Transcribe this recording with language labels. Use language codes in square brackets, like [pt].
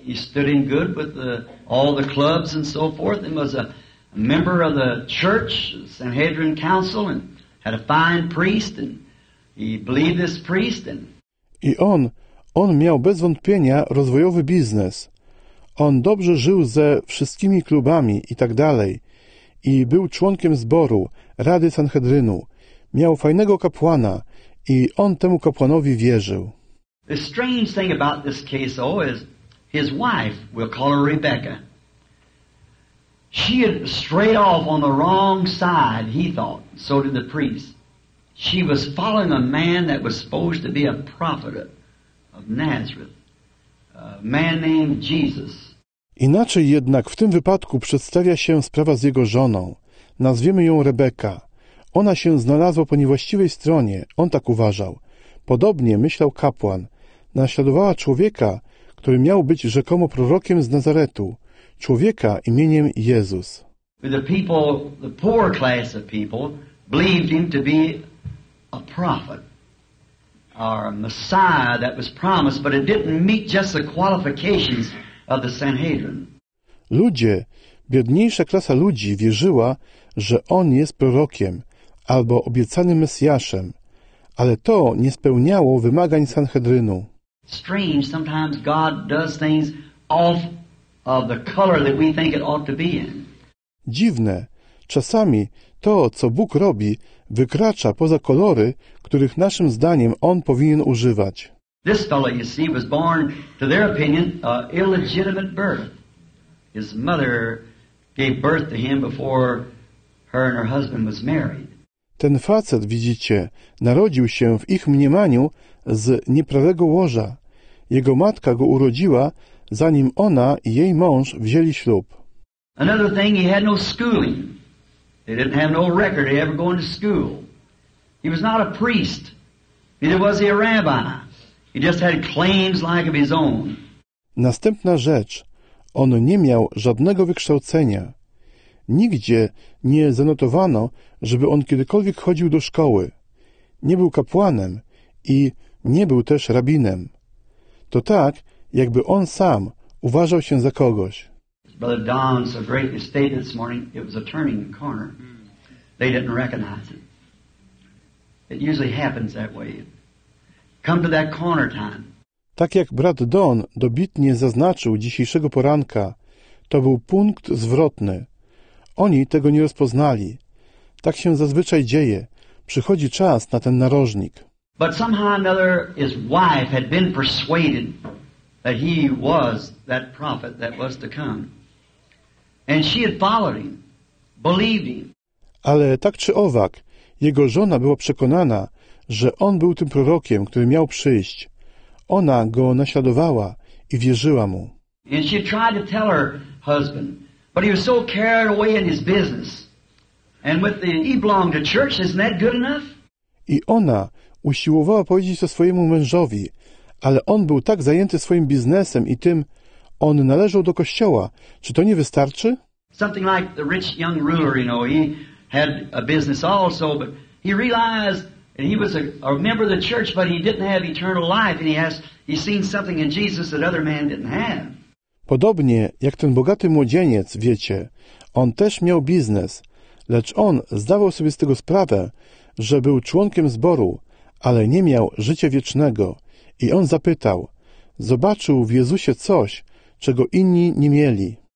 [en] He stood in good with all the clubs and so forth, and was a member of the church, Sanhedrin council, and had a fine priest, and he believed this priest. And [pl] i on miał bez wątpienia rozwojowy biznes. On dobrze żył ze wszystkimi klubami i tak dalej. I był członkiem zboru, rady Sanhedrynu. Miał fajnego kapłana i on temu kapłanowi wierzył. [en] The strange thing about this case, though, is his wife, we'll call her Rebecca. She had strayed off on the wrong side, he thought. So did the priest. She was following a man that was supposed to be a prophet of Nazareth, a man named Jesus. [pl] Inaczej jednak w tym wypadku przedstawia się sprawa z jego żoną. Nazwiemy ją Rebeka. Ona się znalazła po niewłaściwej stronie, on tak uważał. Podobnie myślał kapłan. Naśladowała człowieka, który miał być rzekomo prorokiem z Nazaretu. Człowieka imieniem Jezus. [en] The people, the poor class of people, believed him to be a prophet. our Messiah that was promised, but it didn't meet just the qualifications of the Sanhedrin. [pl] Ludzie, biedniejsza klasa ludzi wierzyła, że on jest prorokiem albo obiecanym Mesjaszem, ale to nie spełniało wymagań Sanhedrynu. [en] Strange, sometimes God does things off of the color that we think it ought to be in. [pl] Dziwne. Czasami to, co Bóg robi, wykracza poza kolory, których naszym zdaniem On powinien używać. [en] This fellow, you see, was born, to their opinion, a illegitimate birth. His mother gave birth to him before her and her husband was married. [pl] Ten facet, widzicie, narodził się w ich mniemaniu z nieprawego łoża. Jego matka go urodziła, zanim ona i jej mąż wzięli ślub. [en] Another thing, he had no schooling. They didn't have no record of ever going to school. He was not a priest. Neither was he a rabbi. He just had claims like of his own. [pl] Następna rzecz. On nie miał żadnego wykształcenia. Nigdzie nie zanotowano, żeby on kiedykolwiek chodził do szkoły. Nie był kapłanem i nie był też rabinem. To tak, jakby on sam uważał się za kogoś. [en] Brother Don so greatly stated this morning, it was a turning corner. They didn't recognize it. It usually happens that way. Come to that corner time. [pl] Tak jak brat Don dobitnie zaznaczył dzisiejszego poranka, to był punkt zwrotny. Oni tego nie rozpoznali. Tak się zazwyczaj dzieje. Przychodzi czas na ten narożnik. [en] But somehow another, his wife had been persuaded that he was that prophet that was to come. And she had followed him, believed him. [pl] Ale tak czy owak, jego żona była przekonana, że on był tym prorokiem, który miał przyjść. Ona go naśladowała i wierzyła mu. [en] And she tried to tell her husband, but he was so carried away in his business. And with the, he belonged to church, isn't that good enough? [pl] I ona usiłowała powiedzieć to swojemu mężowi, ale on był tak zajęty swoim biznesem i tym, on należał do kościoła. Czy to nie wystarczy? [en] Something like the rich young ruler, you know, he had a business also, but he realized and he was a member of the church, but he didn't have eternal life, and he seen something in Jesus that other man didn't have. [pl] Podobnie jak ten bogaty młodzieniec, wiecie, on też miał biznes, lecz on zdawał sobie z tego sprawę, że był członkiem zboru, ale nie miał życia wiecznego. I on zapytał, zobaczył w Jezusie coś, czego inni nie mieli.